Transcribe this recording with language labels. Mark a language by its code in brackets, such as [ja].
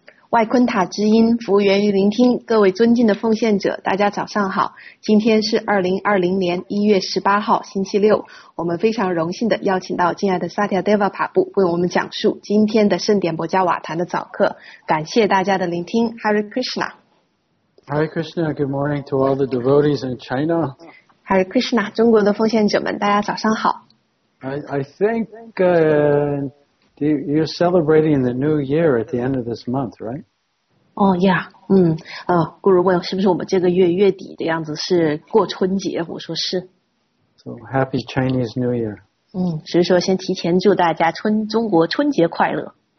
[zh] 外昆塔之音，服务源于聆听。各位尊敬的奉献者，大家早上好。今天是2020年1月18号，星期六。我们非常荣幸地邀请到敬爱的萨提亚德瓦帕布为我们讲述今天的圣典博加瓦坛的早课。感谢大家的聆听。Hare Krishna。 [en] Hare Krishna, good morning to all the devotees in China. [zh] Hare Krishna, 中国的奉献者们，大家早上好。 [en] I think,You're celebrating the new year at the end of this month, right? Oh, yeah. [zh] Guru 问是不是我们这个月月底的样子是过春节，我说是。 [en] So, happy Chinese New Year. [zh] 所以说先提前祝大家中国春节快乐。